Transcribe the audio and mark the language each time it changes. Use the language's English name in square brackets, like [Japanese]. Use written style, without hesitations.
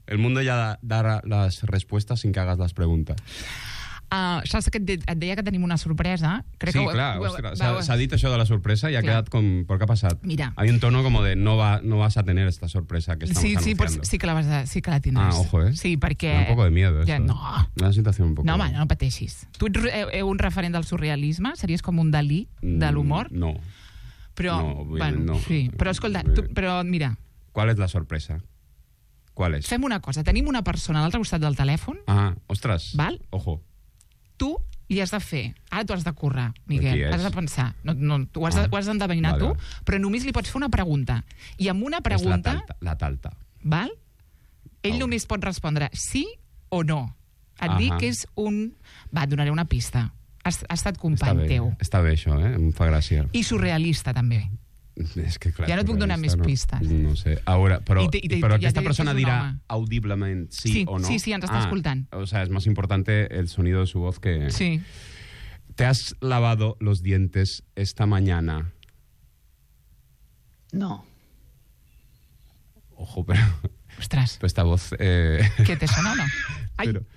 [Spanish] El mundo ya da las respuestas sin que hagas las preguntas. [Catalan] Saps que et deia que tenim una sorpresa? Crec sí, clar, s'ha dit això de la sorpresa i ha quedat com... Per què ha passat? Mira. [Spanish] Hay un tono como de no vas a tener esta sorpresa que estamos anunciando. [Catalan] Sí que la tindràs. [Spanish] Ah, ojo, [Catalan] Sí, perquè... [Spanish] Un poco de miedo, això. [Catalan] No. Una situació [Spanish] un poco... [Catalan] No, home, no pateixis. Tu ets un referent del surrealisme? Series com un Dalí de l'humor? No. Però, no. Sí. Però escolta, tu, però mira... [Spanish] ¿Cuál es la sorpresa? ¿Cuál es? [Catalan] Fem una cosa. Tenim una persona a l'altre costat del telèfon. Ah, ostres. Val? [Spanish] Ojo. [Catalan] Tu li has de fer... Ara tu has de currar, Miguel. Has de pensar. Ho has d'endevinar tu, però només li pots fer una pregunta. I amb una pregunta... La talta. Val? Ell només pot respondre sí o no. Et dic que és un... Va, et donaré una pista. Ha estat company teu. Està bé, això, eh? Em fa gràcia. I surrealista, també. És que, clar, ja no et puc donar més pistes. No sé. Ahora, però aquesta persona dirà audiblement sí o no. Sí, sí, ens està escoltant. [Spanish] O sea, es más importante el sonido de su voz que... Sí. ¿Te has lavado los dientes esta mañana? No. Ojo, pero... Ostras. Pues esta voz... ¿Qué te sonó, no? Ay,